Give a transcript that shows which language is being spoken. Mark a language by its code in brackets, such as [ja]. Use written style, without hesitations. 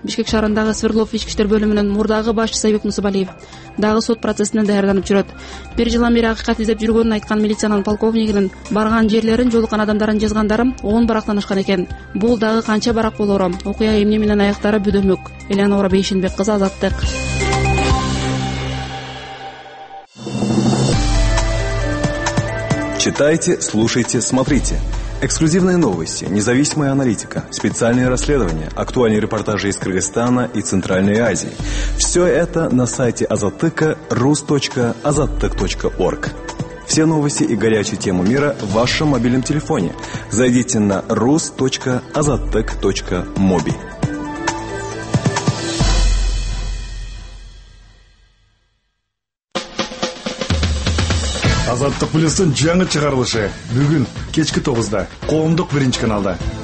[ky] Бишкек шаарындагы Свердлов ички иштер бөлүмүнүн мурдагы башчысы Айбек Мусубалиев дагы сот процессине даярданып жүрөт. Бир жылдан бери акыйкат издеп жүргөнүн айткан милициянын полковнигинин барган жерлерин, жолуккан адамдарын жазгандары 10 барактан ашкан экен. Бул дагы канча барак болору? Окуя эмне менен аяктары бүдөмүк? Элеонора Бейшенбек кызы, Азаттык. [ru] Читайте, слушайте, смотрите. Эксклюзивные новости, независимая аналитика, специальные расследования, актуальные репортажи из Кыргызстана и Центральной Азии. Все это на сайте Азаттыка, rus.azattyk.org. Все новости и горячую тему мира в вашем мобильном телефоне. Зайдите на rus.azattyk.mobi. [ky] Азаттык плюстун жаңы чыгарылышы бүгүн кечки 9:00 коомдук биринчи каналда.